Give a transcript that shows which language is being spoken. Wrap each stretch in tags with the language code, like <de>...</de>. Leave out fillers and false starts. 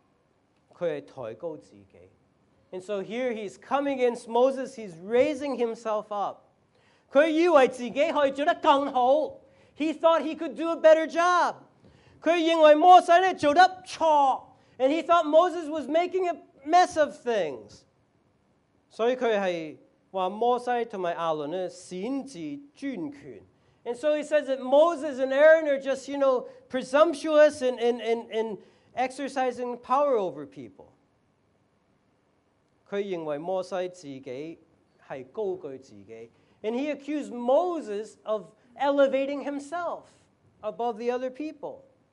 <zh>又起又跌。何拉呢攻擊摩西,他是抬高自己。</zh> <en>And so here he's coming against Moses, he's raising himself up.</en> <zh>他以為自己可以做得更好,</zh> <en>he thought he could do a better job.</en> <zh>他認為摩西做得錯,</zh> <en>and he thought Moses was making a mess of things.</en> <zh>所以他是說摩西和亞倫擅自專權。</zh> <en>And so he says that Moses and Aaron are just, you know, presumptuous in exercising power over people.</en> <zh>他認為摩西自己是高舉自己。</zh> <en>And he accused Moses of elevating himself above the other people.</en>